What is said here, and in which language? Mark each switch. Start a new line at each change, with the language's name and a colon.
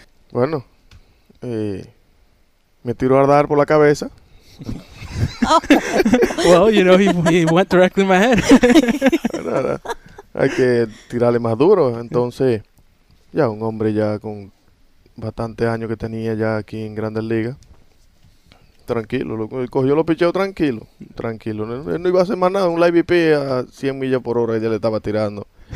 Spanish: Bueno, me tiro a dar por la cabeza.
English: Well, you know, he went directly in my head.
Spanish: Hay que tirarle más duro. Entonces, ya un hombre ya con bastante años que tenía ya aquí en Grandes Ligas. Tranquilo, cogió los picheos tranquilo. No iba a hacer más nada, un live VP a 100 millas por hora y ya le estaba tirando.